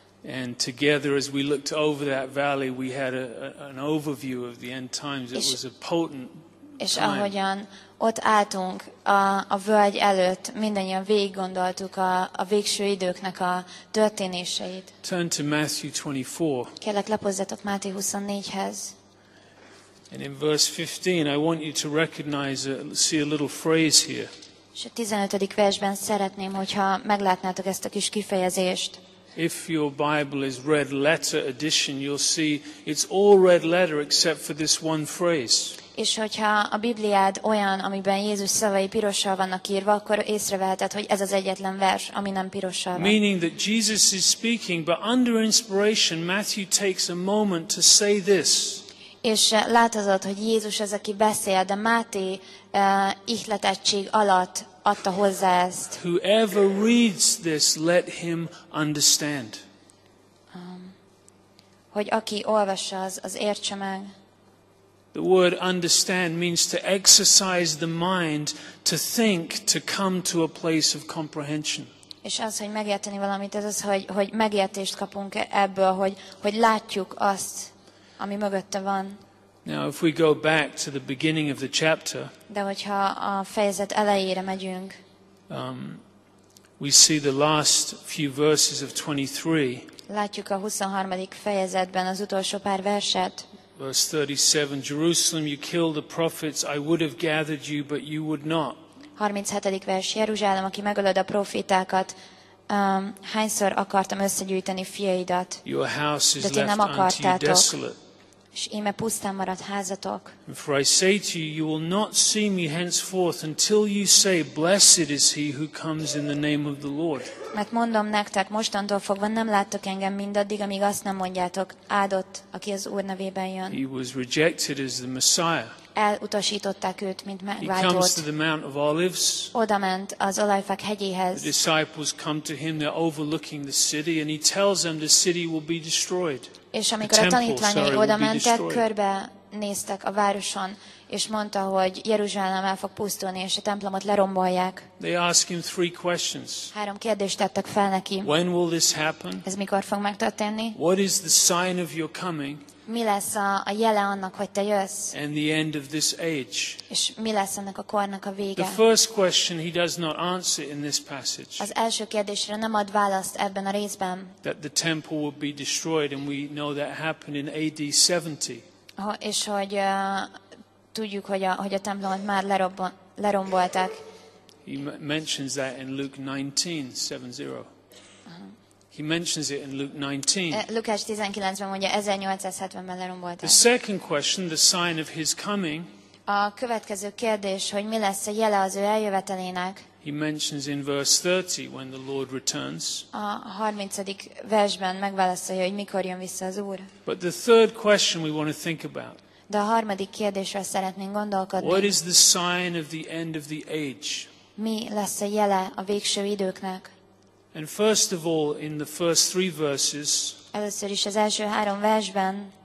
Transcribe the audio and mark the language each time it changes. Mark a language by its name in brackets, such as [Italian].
[English] And together as we looked over that valley we had an overview of the end times. It was a potent time. [Hungarian] És ahogyan ott álltunk a völgy előtt, mindannyian végig gondoltuk a végső időknek a történéseit. [English] Turn to Matthew 24. [Hungarian] Kérlek, lapozzatok Máté 24-hez. [English] And in verse 15 I want you to recognize see a little phrase here. [Hungarian] És a 15. versben szeretném, hogyha meglátnátok ezt a kis kifejezést. [English] If your Bible is red letter edition, you'll see it's all red letter except for this one phrase. [Hungarian] És hogyha a Bibliád olyan, amiben Jézus szavai pirossal vannak írva, akkor észreveheted, hogy ez az egyetlen vers, ami nem pirossal van. [English] Meaning that Jesus is speaking, but under inspiration, Matthew takes a moment to say this. [Hungarian] És láthatod, hogy Jézus az, aki beszél, de Máté ihletettség alatt adta hozzá ezt. [English] Whoever reads this, let him understand. [Hungarian] Hogy aki olvassa, az értse meg. [English] The word understand means to exercise the mind, to think, to come to a place of comprehension. [Hungarian] És az, hogy megérteni valamit, ez az, hogy megértést kapunk ebből, hogy látjuk azt, ami mögötte van. [English] Now if we go back to the beginning of the chapter. [Hungarian] De hogyha a fejezet elejére megyünk. [English] We see the last few verses of 23. [Hungarian] Látjuk a 23. fejezetben az utolsó pár verset. [English] Verse 37, Jerusalem, you killed the prophets, I would have gathered you, but you would not. [Hungarian] 37. vers, Jeruzsálem, aki megölöd a profétákat, hányszor akartam összegyűjteni fiaidat. [English] Your house is left unto you desolate. [Hungarian] És íme pusztán maradt házatok. [English] For I say to you, you will not see me henceforth until you say, blessed is he who comes in the name of the Lord. [Hungarian] Mert mondom nektek, mostantól fogva nem láttok engem mindaddig, amíg azt nem mondjátok, áldott, aki az Úr nevében jön. [English] He was rejected as the Messiah. [Hungarian] Elutasították őt, mint megváltót. [English] He comes to the Mount of Olives. [Hungarian] Oda ment az Olajfák hegyéhez. [English] The disciples come to him, they're overlooking the city, and he tells them the city will be destroyed. [Hungarian] És amikor a tanítványai oda mentek, körbe néztek a városon, és mondta, hogy Jeruzsálem el fog pusztulni, és a templomot lerombolják. [English] They asked him three questions. [Hungarian] Három kérdést tettek fel neki. [English] When will this happen? [Hungarian] Ez mikor fog megtörténni? [English] What is the sign of your coming? [Hungarian] Mi lesz a jele annak, hogy te jössz? [English] And the end of this age. [Hungarian] És mi lesz ennek a kornak a vége? [English] The first question he does not answer in this passage. [Hungarian] Az első kérdésre nem ad választ ebben a részben. [English] That the temple would be destroyed, and we know that happened in AD 70. [Hungarian] És hogy tudjuk, hogy a templomot már lerombolták. [English] He mentions that in Luke 19:70. He mentions it in Luke 19. [Hungarian] Lukács 19-ben mondja, 1870-ben lerombolták. [English] The second question, the sign of his coming. [Hungarian] A következő kérdés, hogy mi lesz a jele az ő eljövetelének. [English] He mentions in verse 30 when the Lord returns. [Hungarian] A 30. versben megválaszolja, hogy mikor jön vissza az Úr. [English] But the third question we want to think about. [Hungarian] De a harmadik kérdésre szeretnénk gondolkodni. [English] What is the sign of the end of the age? [Hungarian] Mi lesz a jele a végső időknek? [English] And first of all, in the first three verses, [Hungarian] először is az első három versben,